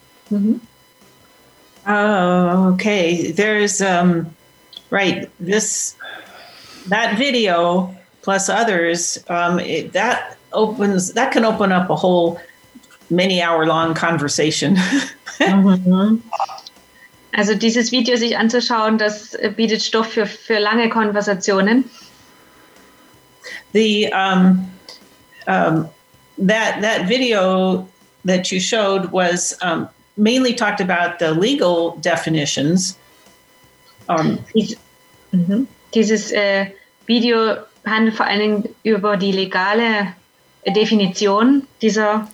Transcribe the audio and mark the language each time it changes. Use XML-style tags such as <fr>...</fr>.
<en>Mm-hmm. Okay, there's, that video plus others, that can open up a whole many hour long conversation.</en> <de>Also dieses Video sich anzuschauen, das bietet Stoff für lange Konversationen.</de> <en>That video that you showed was mainly talked about the legal definitions.</en> <de>Dieses Video handelt vor allen Dingen über die legale Definition dieser</de>